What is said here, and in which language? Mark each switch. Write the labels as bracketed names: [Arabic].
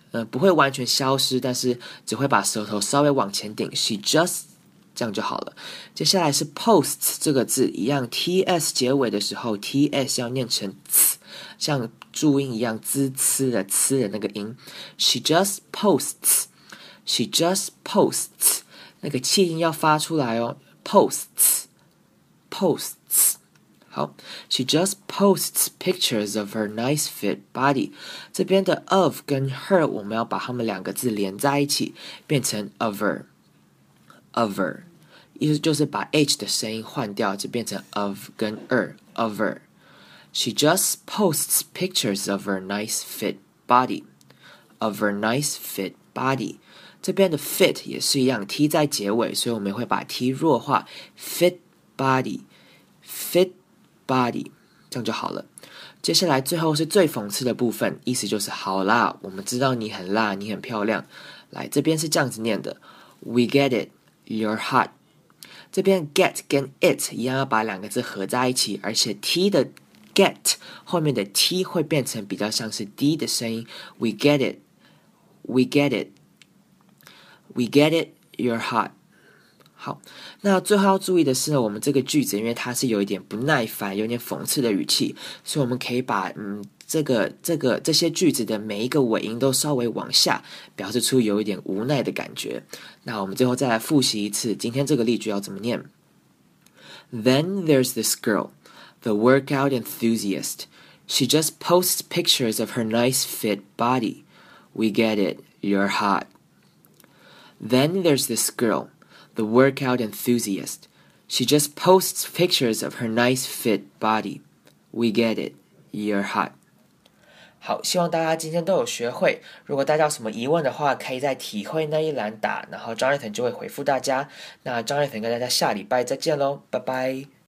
[Chinese] 不会完全消失，但是只会把舌头稍微往前顶 [English] she just [Chinese] 这样就好了。接下来是 post 这个字一样 TS 结尾的时候 TS 要念成 ts, 像注音一样 ts 的那个音 [English] she just posts [Chinese] 那个气音要发出来哦 posts。好 [English] She just posts pictures of her nice fit body. [Chinese] 这边的 of 跟 her 我们要把它们两个字连在一起变成 of her. [English] Of her. [Chinese] 意思就是把 h 的声音换掉就变成 of 跟 her. [English] Of her. She just posts pictures of her nice fit body. Of her nice fit body. [Chinese] 这边的 fit 也是一样 t 在结尾，所以我们会把 t 弱化 [English] fit body. Fit body. Body, [Chinese] 这样就好了。接下来最后是最讽刺的部分，意思就是好啦，我们知道你很辣，你很漂亮。来，这边是这样子念的 ， [English] We get it, you're hot。 [Chinese] 这边 get 跟 it 一样，要把两个字合在一起，而且 t 的 get 后面的 t 会变成比较像是 d 的声音。 [English] We get it, we get it, we get it, you're hot. [Chinese] 好，那最后要注意的是呢，我们这个句子因为它是有一点不耐烦，有点讽刺的语气，所以我们可以把这些句子的每一个尾音都稍微往下，表示出有一点无奈的感觉。那我们最后再来复习一次，今天这个例句要怎么念 [English] ？Then there's this girl, the workout enthusiast. She just posts pictures of her nice fit body. We get it, you're hot. Then there's this girl. The workout enthusiast. She just posts pictures of her nice fit body. We get it. You're hot. [Chinese] 好，希望大家今天都有学会。如果大家有什么疑问的话，可以在体会那一栏打，然后 Jonathan 就会回复大家。那 Jonathan 跟大家下礼拜再见咯，拜拜。